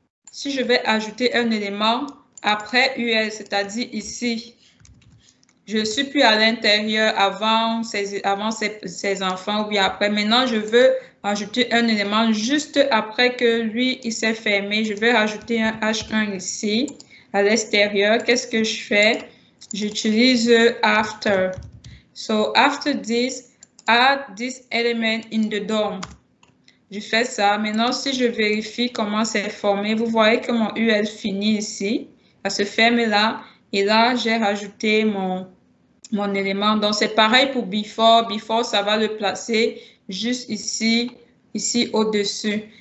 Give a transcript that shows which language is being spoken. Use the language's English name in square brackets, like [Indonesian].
[French] Si je vais ajouter un élément après UL, c'est-à-dire ici, je ne suis plus à l'intérieur avant ces enfants ou bien après. Maintenant, je veux ajouter un élément juste après que lui, il s'est fermé. Je vais rajouter un H1 ici, à l'extérieur. Qu'est-ce que je fais? J'utilise after. [English] So, after this, add this element in the DOM. [French] Je fais ça. Maintenant, si je vérifie comment c'est formé, vous voyez que mon UL finit ici, à se fermer là. Et là, j'ai rajouté mon élément. Donc, c'est pareil pour before. Before, ça va le placer juste ici au-dessus.